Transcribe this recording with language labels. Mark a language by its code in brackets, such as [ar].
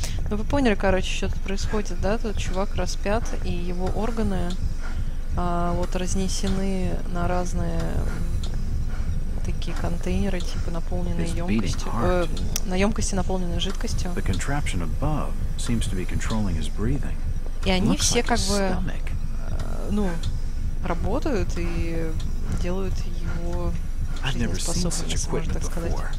[ru] Ну вы поняли, короче, что тут происходит, да? Тут чувак распят, и его органы вот разнесены на разные такие контейнеры, типа наполненные емкостью, на емкости наполненной жидкостью. [en] The contraption above seems to be controlling his breathing. [ru] И они все как бы, ну, работают и делают его жизнеспособным, так сказать.